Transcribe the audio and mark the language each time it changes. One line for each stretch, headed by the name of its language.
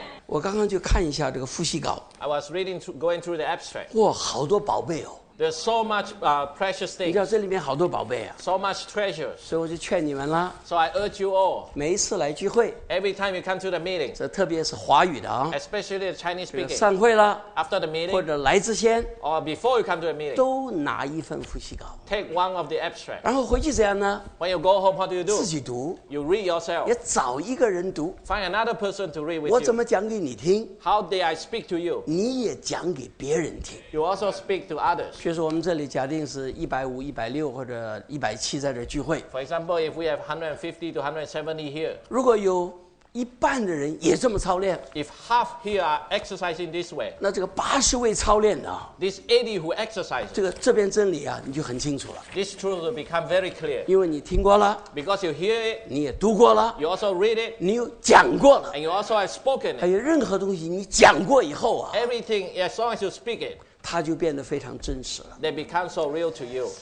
Chinese: 我刚刚就看一下这个复习稿
English: I was reading through, going through the abstract.
Chinese: 哇好多宝贝哦
English: There's so much precious things.
Chinese: 你知道这里面好多宝贝啊
English: So much treasures.
Chinese: 所以我就劝你们啦
English: So I urge you all.
Chinese: 每一次来聚会
English: Every time you come to the meeting.
Chinese: 这特别是华语的啊
English: Especially the Chinese speaking.
Chinese: 散会了
English: After the meeting.
Chinese: 或者来之前
English: Or before you come to the meeting.
Chinese: 都拿一份复习稿
English: Take one of the abstract.
Chinese: 然后回去怎样呢
English: When you go home, what do you do?
Chinese: 自己读
English: You read yourself.
Chinese: 也找一个人读
English: Find another person to read with
Chinese: 我怎么讲给你听
English: How do I speak to you?
Chinese: 你也讲给别人听
English: You also speak to others.
Chinese: 譬如说我们这里假定是150、160或者170在这聚会
English: For example, if we have 150 to 170 here.
Chinese: 如果有一半的人也这么操练
English: If half here are exercising this way
Chinese: 那这个80位操练的
English: This 80 who exercise
Chinese: 这边真理啊你就很清楚了
English: This truth will become very clear
Chinese: 因为你听过了
English: Because you hear it
Chinese: 你也读过了
English: You also read it
Chinese: 你又讲过了
English: And you also have spoken it
Chinese: 还有任何东西你讲过以后啊
English: Everything as long as you speak it
Chinese: 它就变得非常真实了
English: They become so real to you